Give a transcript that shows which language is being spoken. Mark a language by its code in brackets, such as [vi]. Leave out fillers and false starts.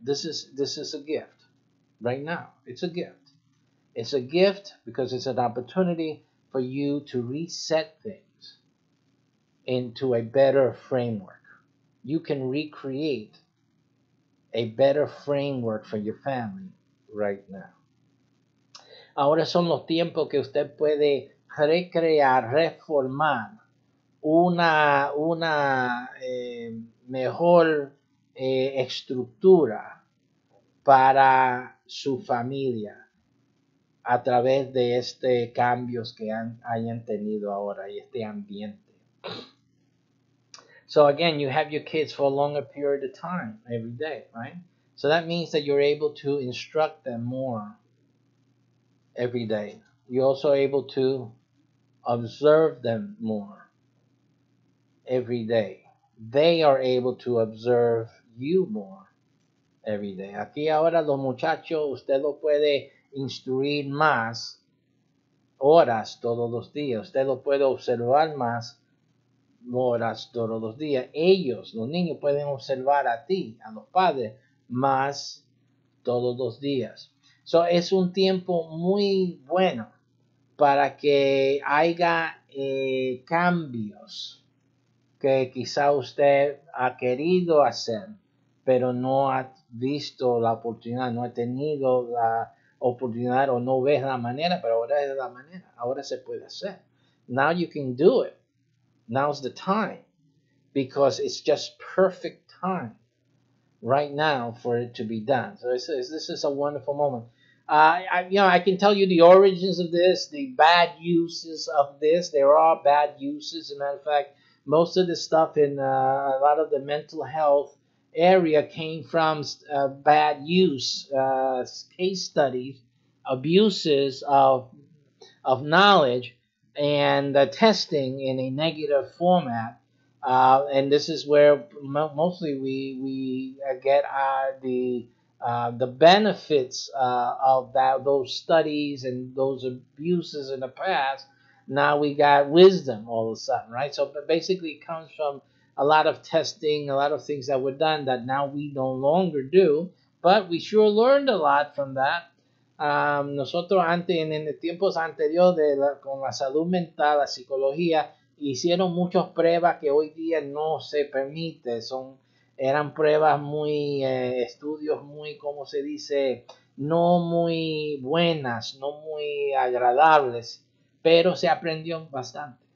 [en] This is a gift right now. It's a gift. It's a gift because it's an opportunity for you to reset things into a better framework. You can recreate a better framework for your family right now. [es] Ahora son los tiempos que usted puede recrear, reformar una mejor estructura para su familia a través de este cambios que hayan tenido ahora y este ambiente. [en] So again, you have your kids for a longer period of time every day, right? So that means that you're able to instruct them more every day. You're also able to observe them more every day. They are able to observe you more every day. [es] Aquí ahora los muchachos, usted lo puede instruir más horas todos los días. Usted lo puede observar más horas todos los días. Ellos, los niños, pueden observar a ti, a los padres, más todos los días. So es un tiempo muy bueno para que haya cambios que quizá usted ha querido hacer, pero no ha visto la oportunidad, no ha tenido la oportunidad o no ve la manera, pero ahora es la manera, ahora se puede hacer. [en] Now you can do it. Now's the time, because it's just perfect time right now for it to be done. So this is a wonderful moment. I can tell you the origins of this, the bad uses of this. There are bad uses, as a matter of fact. Most of the stuff in a lot of the mental health area came from bad use, case studies, abuses of knowledge, and testing in a negative format. And this is where mostly we get the benefits of that, those studies and those abuses in the past. Now we got wisdom all of a sudden, right? So basically it comes from a lot of testing, a lot of things that were done that now we no longer do. But we sure learned a lot from that. [es] Nosotros antes, en tiempos anteriores, con la salud mental, la psicología, hicieron muchas pruebas que hoy día no se permite, eran pruebas muy, estudios muy, como se dice, no muy buenas, no muy agradables, pero se aprendió bastante.